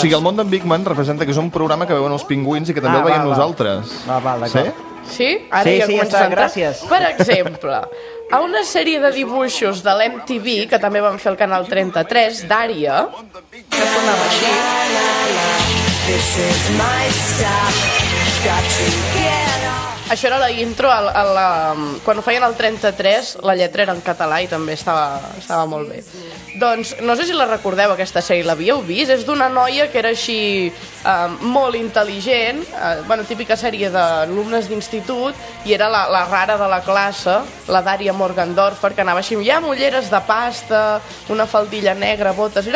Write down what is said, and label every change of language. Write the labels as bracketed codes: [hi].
[ca] O sigui, el món d'en Big Man representa que és un programa que veuen els pingüins i que també el veiem nosaltres. Val, d'acord. Sí? Sí? Ara sí, ja sí, comences a entrar. Gràcies. Per exemple, a una sèrie de dibuixos de l'MTV, que també van fer el Canal 33, d'Ària, que sonava així. [en] This is my stuff, got to get. [ca] Això era la intro, quan ho feien el 33, la lletra era en català i també estava molt bé. Doncs no sé si la recordeu, aquesta sèrie, l'havíeu vist? És d'una noia que era així molt intel·ligent, bueno, típica sèrie d'alumnes d'institut, i era la rara de la classe, la Daria Morgendorfer, que anava així, hi ha ulleres de pasta, una faldilla negra, botes...